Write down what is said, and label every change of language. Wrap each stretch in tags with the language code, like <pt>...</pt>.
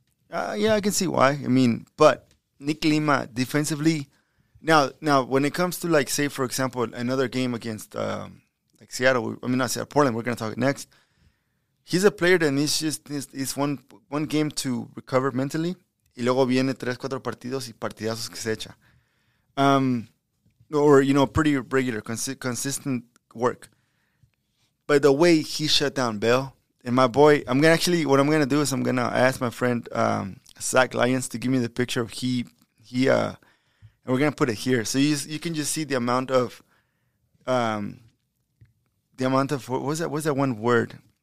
<en>Yeah, I can see why. I mean, but Nick Lima defensively, now when it comes to like say for example another game against like Seattle, Portland, we're gonna talk next. He's a player that needs one game to recover mentally.</en> <es>Y luego viene 3-4 partidos y partidazos que se echa.</es> <en>Pretty regular, consistent work. But the way he shut down Bell, and my boy, what I'm going to do is I'm going to ask my friend Zach Lyons to give me the picture of and we're going to put it here. So you can just see the amount of, what was that one word?</en>